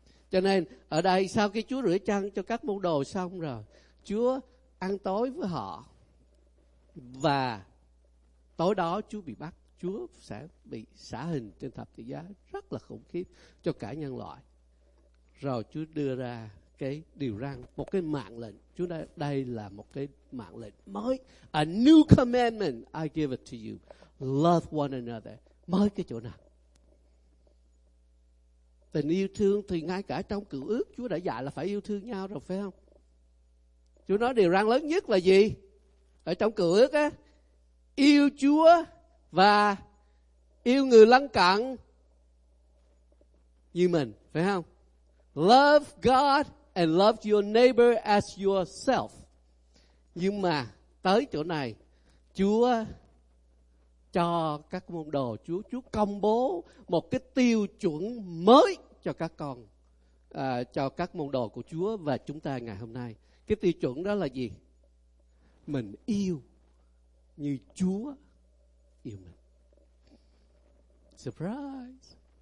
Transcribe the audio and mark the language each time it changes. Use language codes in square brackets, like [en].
[vi] Cho nên ở đây sau khi Chúa rửa chân cho các môn đồ xong rồi, Chúa ăn tối với họ, và tối đó Chúa bị bắt, Chúa sẽ bị xả hình trên thập tự giá rất là khủng khiếp cho cả nhân loại. Rồi Chúa đưa ra cái điều răn, một cái mạng lệnh. Chúa nói đây là một cái mạng lệnh mới. [en] A new commandment I give it to you. [vi] Love one another. Mới cái chỗ nào? Tình yêu thương thì ngay cả trong cựu ước Chúa đã dạy là phải yêu thương nhau rồi, phải không? Chúa nói điều răn lớn nhất là gì? Ở trong cựu ước á, yêu Chúa và yêu người lân cận như mình, phải không? [en] Love God and love your neighbor as yourself. [vi] Nhưng mà tới chỗ này, Chúa cho các môn đồ, Chúa công bố một cái tiêu chuẩn mới cho các con, cho các môn đồ của Chúa và chúng ta ngày hôm nay. Cái tiêu chuẩn đó là gì? Mình yêu như Chúa yêu mình. Surprise!